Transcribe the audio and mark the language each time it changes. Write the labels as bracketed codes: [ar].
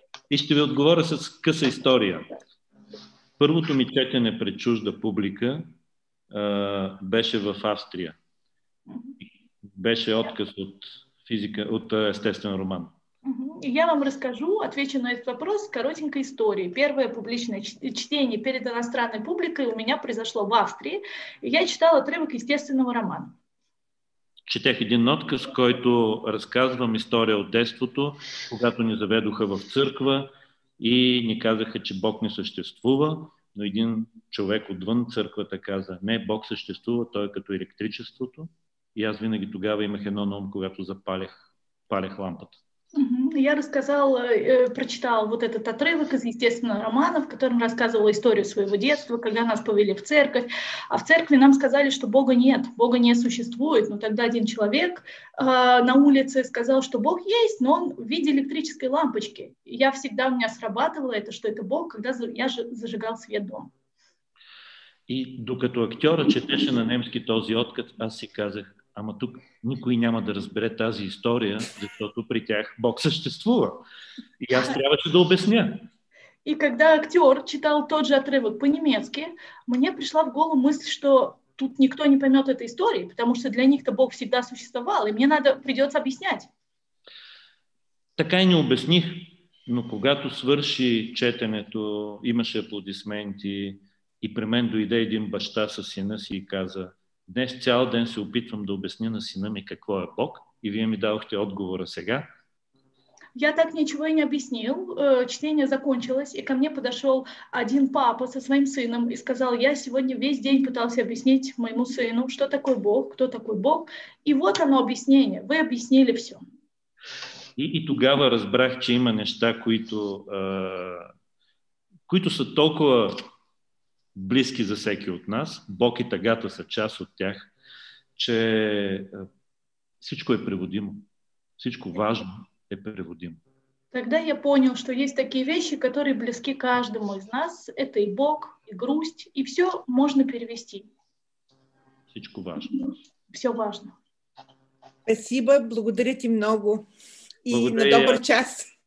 [bg] И ще ви отговоря с къса история. Първото ми четене пред чужда публика беше в Австрия. Беше отказ от физика, от естествен роман. [ru] И я вам расскажу, отвечу на этот вопрос, коротенькой историей. Первое публичное чтение перед иностранной публикой у меня произошло в Австрии. Я читала отрывок естественного романа. [bg] Четех един отказ, който разказвам история от детството, когато ни заведоха в църква и ни казаха, че Бог не съществува. Но един човек отвън църквата каза, не, Бог съществува, той е като електричеството. И аз винаги тогава имах едно на ум, когато запалях лампата. [ru] Я рассказал, прочитал вот этот отрывок из естественного романа, в котором рассказывала историю своего детства, когда нас повели в церковь. А в церкви нам сказали, что Бога нет, Бога не существует. Но тогда один человек на улице сказал, что Бог есть, но он в виде электрической лампочки. Я всегда, у меня срабатывало это, что это Бог, когда я зажигал свет дома. [bg] И докато актера четеше на немски този откат, аз си казах, ама тук никой няма да разбере тази история, защото при тях Бог съществува. И аз трябваше да обясня. [ru] И когда актер читал тот же отрывок по-немецки, мне пришла в голову мысль, что тут никто не поймет этой истории, потому что для них-то Бог всегда существовал, и мне надо придется объяснять. [bg] Така и не обясних, но когато свърши четенето, имаше аплодисменти, и при мен дойде един баща със сина си и каза, днес цял ден се опитвам да обясня на сина ми какво е Бог и вие ми дадохте отговора сега. [ru] Я так ничего и не объяснил. Чтение закончилось, и ко мне подошел один папа со своим сыном и сказал, я сегодня весь день пытался объяснить моему сыну, что такое Бог, кто такой Бог. И вот оно объяснение. Вы объяснили все. [bg] И тогава разбрах, че има неща, които са толкова близки за всеки от нас, Бог и тъгата са част от тях, че всичко е преводимо. Всичко важно е преводимо. [ru] Тогда я понял, что есть такие вещи, которые близки каждому из нас. Это и Бог, и грусть, и все можно перевести. [bg] Всичко важно. [ru] Все важно. Спасибо, [bg] благодаря ти много. И благодаря. На добър час.